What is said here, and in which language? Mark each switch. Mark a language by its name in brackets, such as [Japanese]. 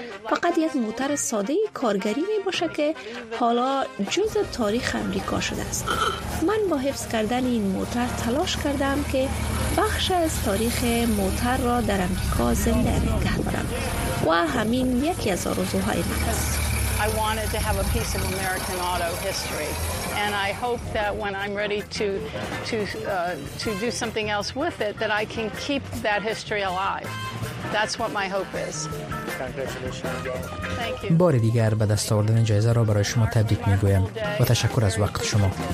[Persian] فقط یک موتر ساده کارگری می باشد که حالا جزء تاریخ امریکا شده است. من با حفظ کردن این موتر تلاش کردم که بخش از تاریخ موتر را در امریکا زنده نگه دارم و همین یکی از آرزوهای من است. [English] I wanted to have a piece of American auto history, and I hope that when I'm ready to do something else with it, that I can keep that history alive. That's what my hope is. Congratulations. Thank you. [Persian] بار دیگر به دست آوردن جایزه را برای شما تبریک میگویم و تشکر از وقت شما.